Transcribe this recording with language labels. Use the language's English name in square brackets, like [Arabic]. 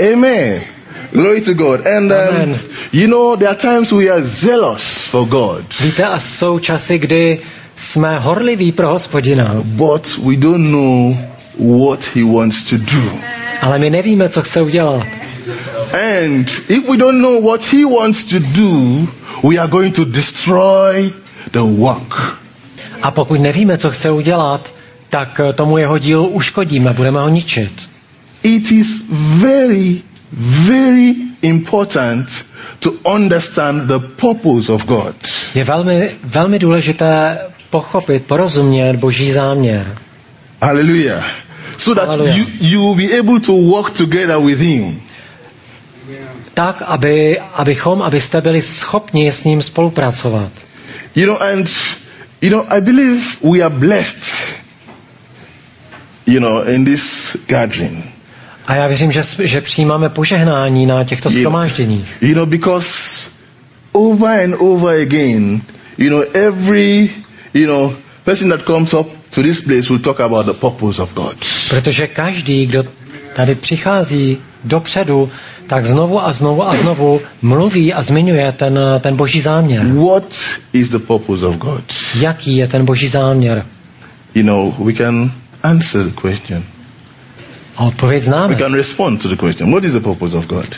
[English] Amen. Glory to God. And Amen. You know, there are times we are zealous for God. [Czech] Víte, a jsou časy, kdy jsme horliví pro Hospodina. [English] But we don't know what he wants to do. [Czech] Ale my nevíme, co chce udělat. [English] And if we don't know what he wants to do, we are going to destroy the work. [Czech] A pokud nevíme, co chce udělat, tak tomu jeho dílu uškodíme, budeme ho ničit. [English] It is very, very important to understand the purpose of God. [Czech] Je velmi, velmi důležité pochopit, porozumět Boží záměr. Alleluja. [English] So that you will be able to walk together with him. [Czech] Tak, abyste byli schopni s ním spolupracovat. [English] You know, and you know, I believe we are blessed. You know, in this gathering. [Czech] A já věřím, že přijímáme požehnání na těchto shromážděních. [English] You know, because over and over again, you know, every, you know, person that comes up to this place will talk about the purpose of God. [Czech] Protože každý, kdo tady přichází dopředu, tak znovu a znovu a znovu mluví a zmiňuje ten Boží záměr. [English] What is the purpose of God? [Czech] Jaký je ten Boží záměr? [English] You know, we can answer the question. [Czech] Odpověď známe. [English] We can respond to the question. What is the purpose of God?